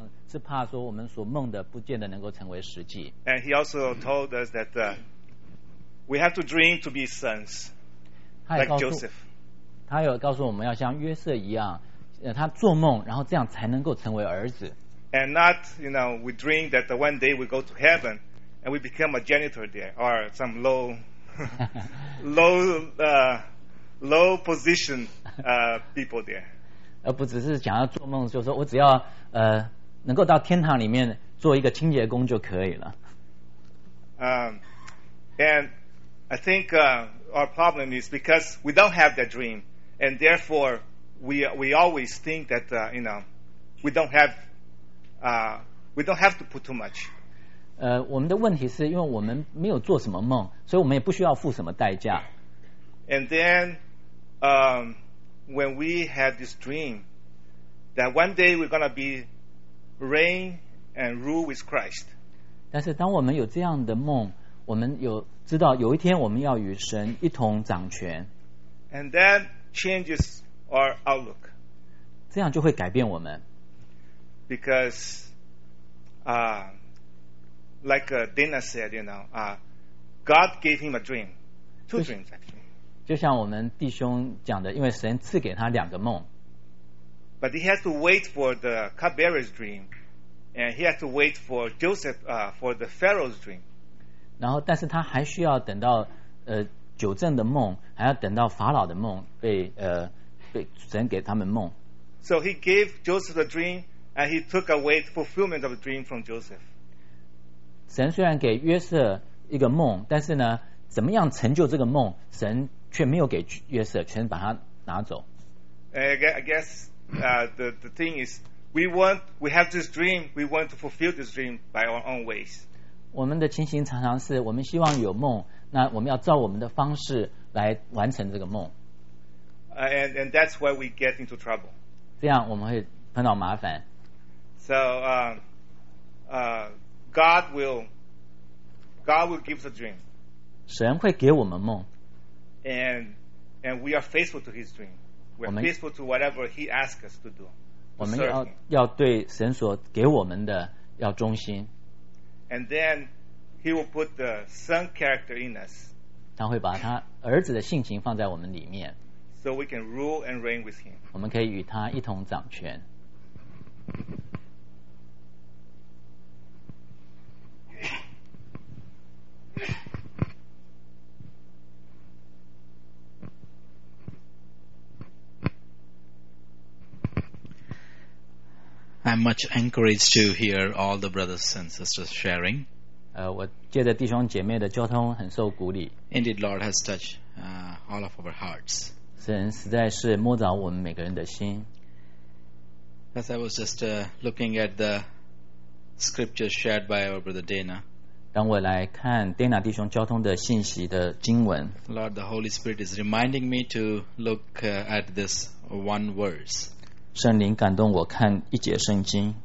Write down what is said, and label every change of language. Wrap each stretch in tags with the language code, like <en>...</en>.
<zh>是怕说我们所梦的不见得能够成为实际。</zh> <en>And he also told us that we have to dream to be sons, like Joseph.</en> <zh>他有告诉我们要像约瑟一样，他做梦，然后这样才能够成为儿子。</zh> <en>And not, you know, we dream that one day we go to heaven and we become a janitor there or some low, low position people there.</en> <zh>而不只是想要做梦，就是说我只要能够到天堂里面做一个清洁工就可以了。</zh> <en>And I think our problem is because we don't have that dream, and therefore we always think that you know we don't have to put too much.</en> <zh>我们的问题是因为我们没有做什么梦，所以我们也不需要付什么代价。</zh> <en>And then when we have this dream that one day we're going to be reign and rule with Christ.</en> <zh>但是当我们有这样的梦，我们有知道有一天我们要与神一同掌权。</zh> <en>And that changes our outlook.</en> <zh>这样就会改变我们。</zh> <en>Because like Dana said, you know, God gave him a dream, two dreams actually.</en> <zh>就像我们弟兄讲的，因为神赐给他两个梦。</zh> <en>But he has to wait for the cupbearer's dream, and he has to wait for Joseph, for the Pharaoh's dream.</en> <zh>然后，但是他还需要等到九正的梦，还要等到法老的梦被神给他们梦。</zh> <en>So he gave Joseph a dream, and he took away the fulfillment of the dream from Joseph.</en> <zh>神虽然给约瑟一个梦，但是呢，怎么样成就这个梦，神却没有给约瑟，全把他拿走。</zh> <en>I guess the thing is, we have this dream, we want to fulfill this dream by our own ways.</en> <zh>我们的情形常常是我们希望有梦，那我们要照我们的方式来完成这个梦。</zh> <en>And that's why we get into trouble.</en> <zh>这样我们会碰到麻烦。</zh> <en>So, God will give us a dream.</en> <zh>神会给我们梦。</zh> <en>And we are faithful to His dream. We're faithful to whatever He asks us to do.</en> <zh>我们要对神所给我们的要忠心。</zh> <en>And then He will put the Son character in us.</en> <zh>他会把他儿子的性情放在我们里面。</zh> <en>So we can rule and reign with Him.</en> <zh>我们可以与他一同掌权。</zh> <en>I'm much encouraged to hear all the brothers and sisters sharing.</en> <zh>我借着弟兄姐妹的交通很受鼓励。</zh> <en>Indeed, Lord has touched all of our hearts.</en> <zh>神实在是摸着我们每个人的心。</zh> <en>As I was just looking at the scriptures shared by our brother Dana.</en> <zh>当我来看 Dana 弟兄交通的信息的经文。</zh> <en>Lord, the Holy Spirit is reminding me to look at this one verse.</en> <zh>圣灵感动我看一节圣经。</zh>